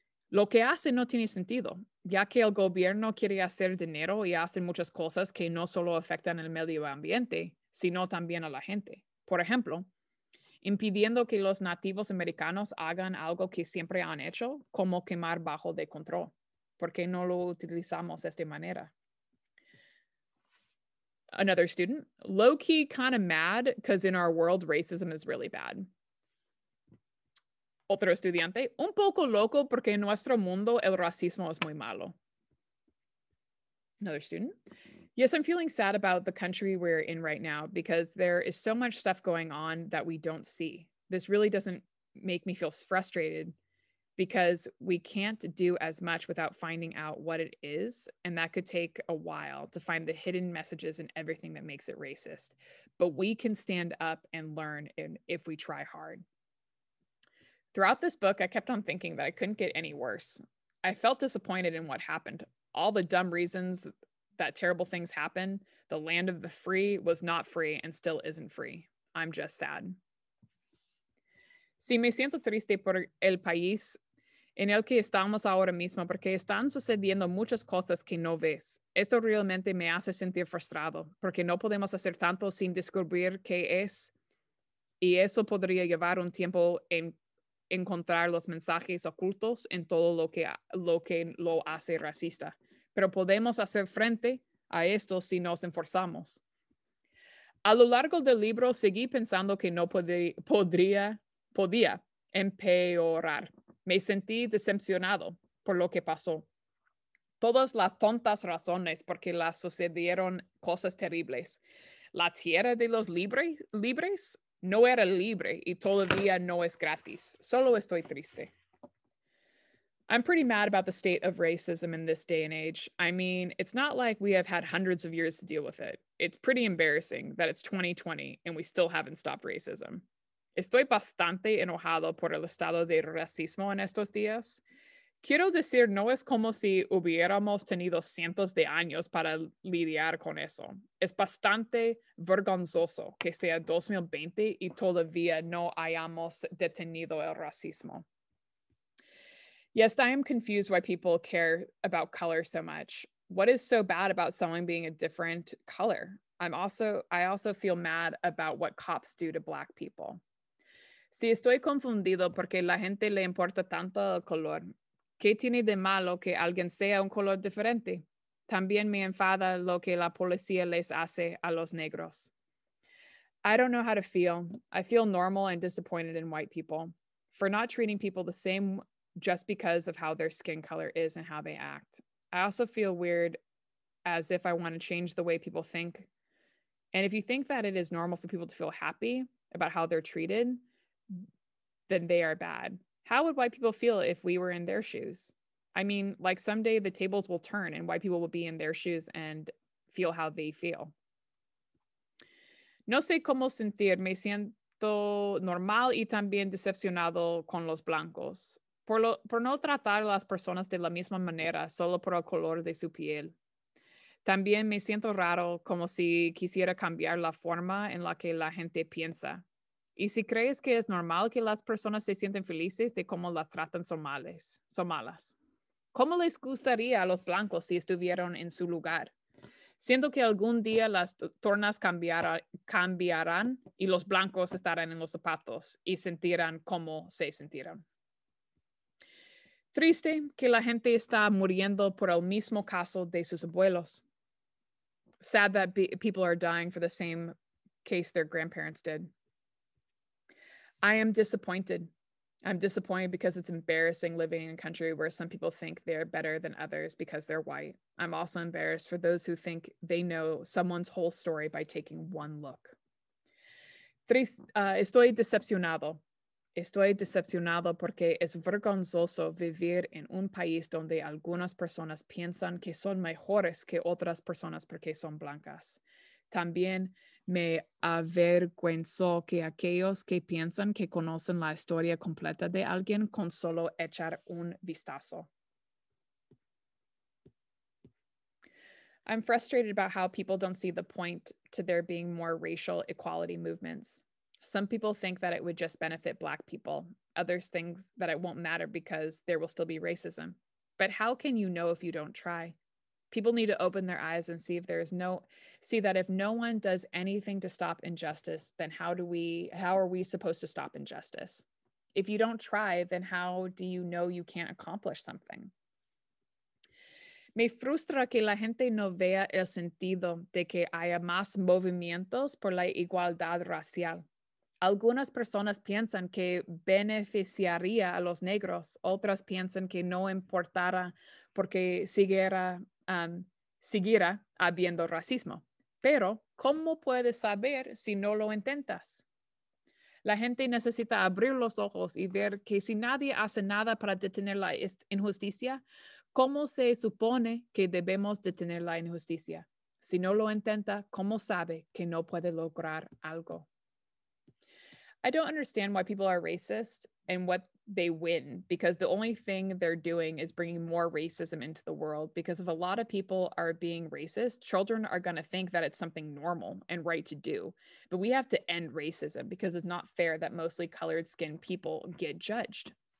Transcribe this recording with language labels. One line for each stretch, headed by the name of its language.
Spanish: Lo que hace no tiene sentido, ya que el gobierno quiere hacer dinero y hace muchas cosas que no solo afectan el medio ambiente, sino también a la gente. Por ejemplo, impidiendo que los nativos americanos hagan algo que siempre han hecho, como quemar bajo de control. ¿Por qué no lo utilizamos de esta manera?
English: Another student, low-key kind of mad because in our world, racism is really bad.
Spanish: Otro estudiante, un poco loco porque en nuestro mundo el racismo es muy malo.
English: Another student, yes, I'm feeling sad about the country we're in right now because there is so much stuff going on that we don't see. This really doesn't make me feel frustrated because we can't do as much without finding out what it is. And that could take a while to find the hidden messages and everything that makes it racist. But we can stand up and learn if we try hard. Throughout this book, I kept on thinking that I couldn't get any worse. I felt disappointed in what happened. All the dumb reasons that terrible things happen. The land of the free was not free and still isn't free. I'm just sad.
Spanish: Si me siento triste por el país en el que estamos ahora mismo porque están sucediendo muchas cosas que no ves. Esto realmente me hace sentir frustrado porque no podemos hacer tanto sin descubrir qué es y eso podría llevar un tiempo en encontrar los mensajes ocultos en todo lo que lo hace racista. Pero podemos hacer frente a esto si nos esforzamos. A lo largo del libro, seguí pensando que no podía empeorar. Me sentí decepcionado por lo que pasó. Todas las tontas razones por qué las sucedieron cosas terribles. La tierra de los libres no era libre y todavía no es gratis. Solo estoy triste.
English: I'm pretty mad about the state of racism in this day and age. I mean, it's not like we have had hundreds of years to deal with it. It's pretty embarrassing that it's 2020 and we still haven't stopped racism.
Spanish: Estoy bastante enojado por el estado de racismo en estos días. Quiero decir, no es como si hubiéramos tenido cientos de años para lidiar con eso. Es bastante vergonzoso que sea 2020 y todavía no hayamos detenido el racismo.
English: Yes, I am confused why people care about color so much. What is so bad about someone being a different color? I also feel mad about what cops do to black people.
Spanish: Si estoy confundido porque la gente le importa tanto el color, ¿qué tiene de malo que alguien sea un color diferente? También me enfada lo que la policía les hace a los negros.
English: I don't know how to feel. I feel normal and disappointed in white people for not treating people the same just because of how their skin color is and how they act. I also feel weird as if I want to change the way people think. And if you think that it is normal for people to feel happy about how they're treated, then they are bad. How would white people feel if we were in their shoes? I mean, like someday the tables will turn and white people will be in their shoes and feel how they feel.
Spanish: No sé cómo sentir. Me siento normal y también decepcionado con los blancos. Por no tratar a las personas de la misma manera, solo por el color de su piel. También me siento raro, como si quisiera cambiar la forma en la que la gente piensa. Y si crees que es normal que las personas se sienten felices de cómo las tratan, son malas. ¿Cómo les gustaría a los blancos si estuvieran en su lugar? Siento que algún día las tornas cambiarán y los blancos estarán en los zapatos y sentirán cómo se sintieron. Triste que la gente está muriendo por el mismo caso de sus abuelos.
English: Sad that people are dying for the same case their grandparents did. I am disappointed. I'm disappointed because it's embarrassing living in a country where some people think they're better than others because they're white. I'm also embarrassed for those who think they know someone's whole story by taking one look.
Spanish: Estoy decepcionado. Estoy decepcionado porque es vergonzoso vivir en un país donde algunas personas piensan que son mejores que otras personas porque son blancas. También me avergüenzo que aquellos que piensan que conocen la historia completa de alguien con solo echar un vistazo.
English: I'm frustrated about how people don't see the point to there being more racial equality movements. Some people think that it would just benefit Black people. Others think that it won't matter because there will still be racism. But how can you know if you don't try? People need to open their eyes and see that if no one does anything to stop injustice, then how are we supposed to stop injustice? If you don't try, then how do you know you can't accomplish something?
Spanish: Me frustra que la gente no vea el sentido de que haya más movimientos por la igualdad racial. Algunas personas piensan que beneficiaría a los negros. Otras piensan que no importara porque siguiera habiendo racismo. Pero, ¿cómo puedes saber si no lo intentas? La gente necesita abrir los ojos y ver que si nadie hace nada para detener la injusticia, ¿cómo se supone que debemos detener la injusticia? Si no lo intenta, ¿cómo sabe que no puede lograr algo?
English: I don't understand why people are racist and what they win, because the only thing they're doing is bringing more racism into the world. Because if a lot of people are being racist, children are going to think that it's something normal and right to do. But we have to end racism because it's not fair that mostly colored skin people get judged.